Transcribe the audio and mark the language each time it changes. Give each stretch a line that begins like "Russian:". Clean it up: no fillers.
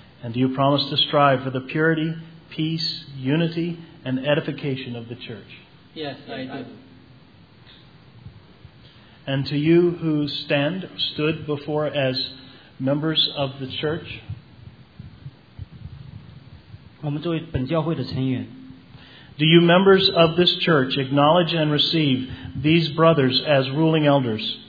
English: And do you promise to strive for the purity, peace, unity, and edification of the church? Yes, yes, I do. And to you who stood before as members of the church,
Chinese: 我们作为本教会的成员。
English: Do you, members of this church, acknowledge and receive these brothers as ruling elders?